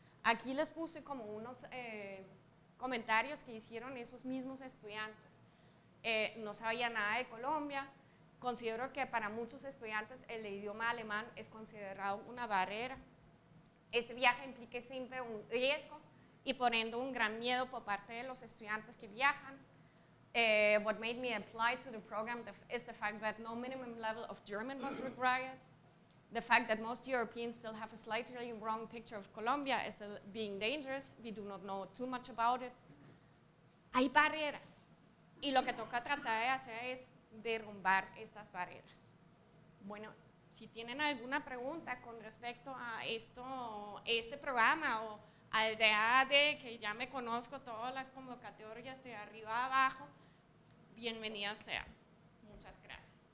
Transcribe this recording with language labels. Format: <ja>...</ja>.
<es>Aquí les puse como unos comentarios que hicieron esos mismos estudiantes. No sabía nada de Colombia. Considero que para muchos estudiantes el idioma alemán es considerado una barrera. Este viaje implica siempre un riesgo y poniendo un gran miedo por parte de los estudiantes que viajan.</es> <en>What made me apply to the program is the fact that no minimum level of German was required. The fact that most Europeans still have a slightly wrong picture of Colombia is still being dangerous. We do not know too much about it.</en> <es>Hay barreras. Y lo que toca tratar de hacer es derrumbar estas barreras. Bueno, si tienen alguna pregunta con respecto a esto, este programa o al de AD, que ya me conozco todas las convocatorias de arriba a abajo, bienvenida sea. Muchas gracias.</es>